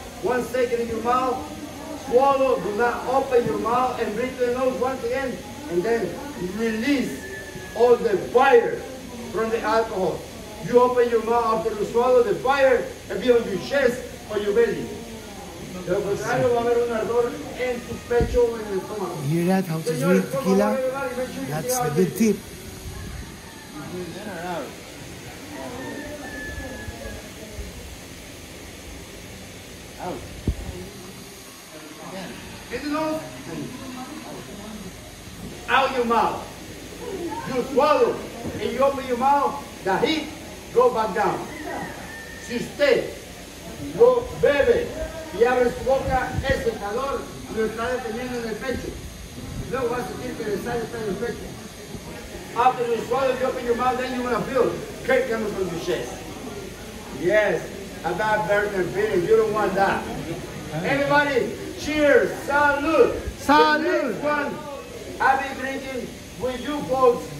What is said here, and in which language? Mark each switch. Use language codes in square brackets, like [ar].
[en] 1 second in your mouth. Swallow, do not open your mouth and breathe through your nose once again. And then release all the fire from the alcohol. You open your mouth after you swallow, the fire will be on your chest or your belly. [es] De lo contrario, va a haber un ardor en tu pecho o en el estómago. [en] You hear that? How to drink tequila? That's the good tip. Out your mouth. You swallow and you open your mouth, the heat go back down. [es] Si usted lo bebe y abre su boca, ese calor lo está deteniendo en el pecho. Luego va a sentir que le sale en el pecho. [en] After you swallow, you open your mouth, then you're going to feel great coming from your chest. Yes, a bad burden and feeling. You don't want that. Everybody, cheers. [es] Salud. Salud. [en] The next one, I've been drinking with you folks.